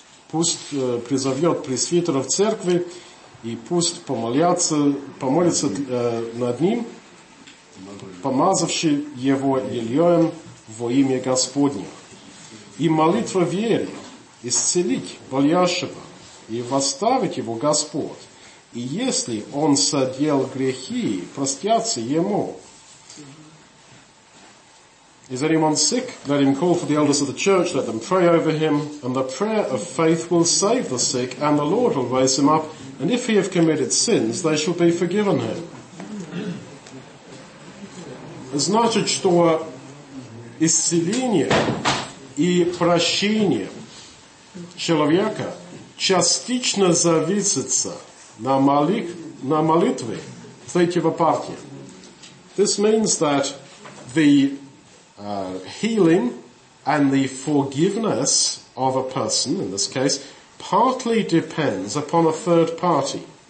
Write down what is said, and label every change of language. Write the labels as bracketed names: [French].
[Russian] Пусть призовет пресвитера в церкви и пусть помолится над ним, помазавший его Елеем во имя Господне. И молитва веры исцелить болящего и восставить его Господь. И если он содел грехи, простятся ему. [English] Is anyone sick? Let him call for the elders of the church, let them pray over him, and the prayer of faith will save the sick, and the Lord will raise him up, and if he have committed sins, they shall be forgiven him. [Russian] Значит, что исцеление и прощение человека частично зависится на молитве третьего партия. [English] This means that the healing and the forgiveness of a person, in this case, partly depends upon a third party.